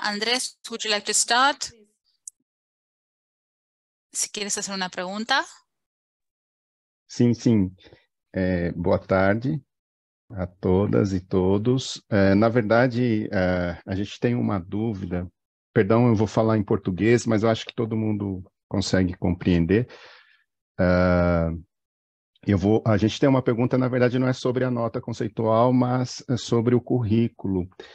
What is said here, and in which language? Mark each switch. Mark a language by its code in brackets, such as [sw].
[en] Andrés, would you like to start? [es] Si quieres hacer una pregunta. Sí, sí. [pt] Boa tarde a todas y todos. Na verdade, a gente tem uma dúvida. Perdão, eu vou falar em português, mas eu acho que todo mundo consegue compreender. A gente tem uma pergunta, na verdade, não é sobre a nota conceitual, mas é sobre o currículo.